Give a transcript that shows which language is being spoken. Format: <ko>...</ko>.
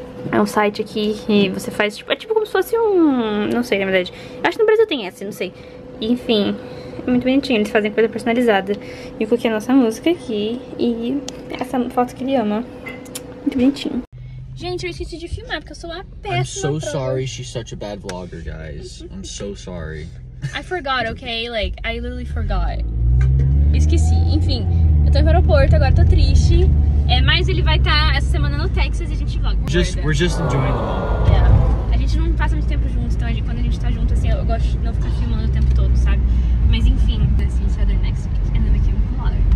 <pt>É um site aqui que você faz, tipo, é tipo como se fosse um... Não sei, na verdade. Acho que no Brasil tem esse, não sei. Enfim, é muito bonitinho, eles fazem coisa personalizada. E eu coloquei a nossa música aqui e essa foto que ele ama. Muito bonitinho. Gente, eu esqueci de filmar porque eu sou uma péssima.</pt> <en>I'm so sorry she's such a bad vlogger, guys. I'm so sorry. I forgot, okay? Like, I literally forgot.</en> <pt>Esqueci. Enfim, eu tô no aeroporto, agora tô triste. É, mas ele vai estar essa semana no Texas e a gente vlog.</pt> <en>We're just enjoying the moment.</en> <pt>Yeah. A gente não passa muito tempo juntos, então quando a gente tá junto, assim, eu gosto de não ficar filmando o tempo todo, sabe? Mas enfim,</pt> <en>we'll see each other next week and then we can vlog.</en>